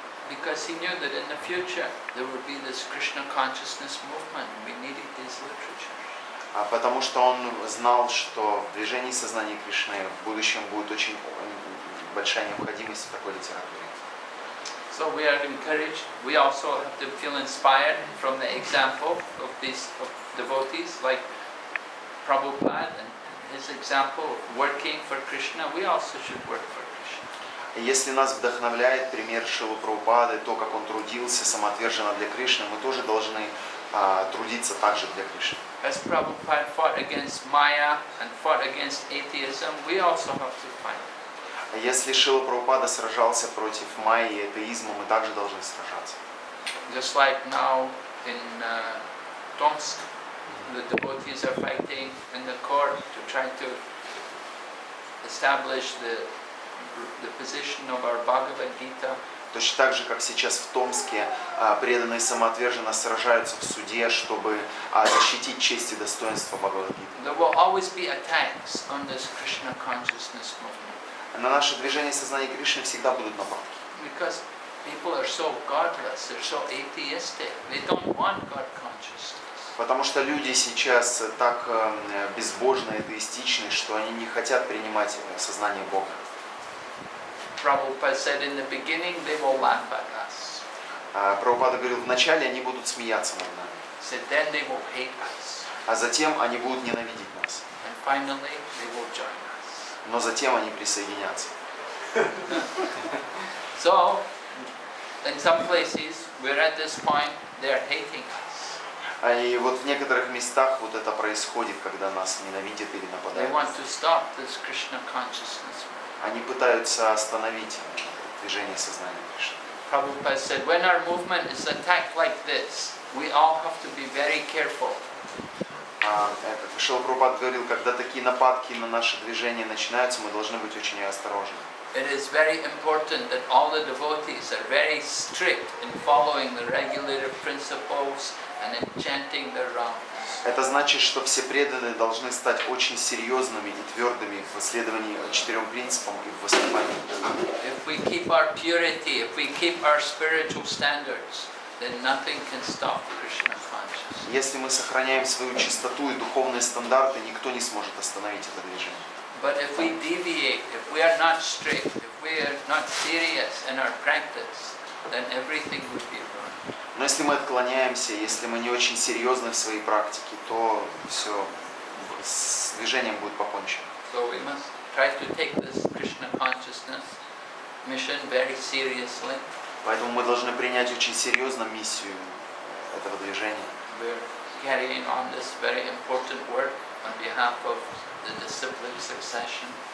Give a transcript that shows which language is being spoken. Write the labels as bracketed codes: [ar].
[en] Because he knew that in the future there would be this Krishna consciousness movement, we needed this literature. [ru] А потому что он знал, что в движении сознания Кришны в будущем будет очень большая необходимость в такой литературе. [en] So we are encouraged. We also have to feel inspired from the example of these of devotees like Prabhupada and his example of working for Krishna. We also should work for Krishna. [ru] Если нас вдохновляет пример Шрилы Прабхупады, то как он трудился самоотверженно для Кришны, мы тоже должны трудиться также для Кришны. [en] As Prabhupada fought against Maya and fought against atheism, we also have to fight. [ru] Если Шрила Прабхупада сражался против майи и атеизма, мы также должны сражаться. [en] Just like now in Tomsk, the devotees are fighting in the court to try to establish the position of our Bhagavad Gita. [ru] Точно так же, как сейчас в Томске, преданные самоотверженно сражаются в суде, чтобы защитить честь и достоинство Бхагавад-гиты. [en] There will always be attacks on this Krishna consciousness movement. [ru] На наше движение сознания Кришны всегда будут нападки. [en] Because people are so godless, they're so atheistic. They don't want God consciousness. [ru] Потому что люди сейчас так безбожны, атеистичны, что они не хотят принимать сознание Бога. [en] Prabhupada said in the beginning they will laugh at us. [ru] Прабхупада говорил, вначале они будут смеяться над нами. [en] So then they will hate us. [ru] А затем они будут ненавидеть нас. [en] And finally they will join. [ru] Но затем они присоединятся. [en] So, in some places, we're at this point, they're hating us. [ru] И вот в некоторых местах вот это происходит, когда нас ненавидят или нападают. [en] They want to stop this Krishna consciousness. [ru] Они пытаются остановить движение сознания Кришны. [en] Prabhupada said, when our movement is attacked like this, we all have to be very careful. [ru] Шрила Прабхупада говорил, когда такие нападки на наше движение начинаются, мы должны быть очень осторожны. [en] It is very important that all the devotees are very strict in following the regulative principles and in chanting the rounds. [ru] Это значит, что все преданные должны стать очень серьезными и твердыми в следовании четырем принципам и в выступлении. [en] If we keep our purity, if we keep our spiritual standards, then nothing can stop Krishna. [ru] Если мы сохраняем свою чистоту и духовные стандарты, никто не сможет остановить это движение. [en] But if we deviate, if we are not strict, if we are not serious in our practice, then everything would be wrong. [ru] Но если мы отклоняемся, если мы не очень серьезны в своей практике, то все с движением будет покончено. [en] So we must try to take this Krishna consciousness mission very seriously. [ru] Поэтому мы должны принять очень серьезно миссию этого движения. [en] We're carrying on this very important work on behalf of the disciplic succession.